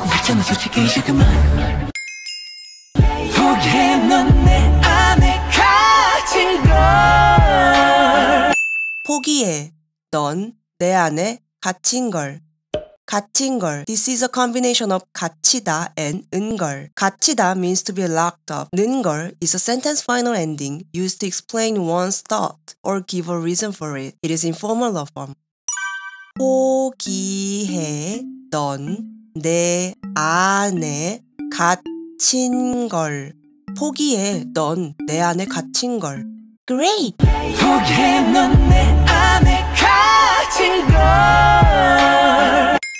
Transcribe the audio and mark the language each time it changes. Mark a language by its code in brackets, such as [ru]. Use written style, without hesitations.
[ko] 있잖아 솔직히 이제 그만 포기해 넌 내 안에 가진 걸 포기해 넌 내 안에 갇힌 걸 [en] 갇힌 걸 This is a combination of 갇히다 and 은 걸 갇히다 means to be locked up 는 걸 is a sentence final ending used to explain one's thought or give a reason for it It is informal of form [ko] 포기해 넌 내 안에 갇힌 걸 포기해 넌 내 안에 갇힌 걸 [en] Great! [ko] 포기해 넌 내 안에 갇힌 걸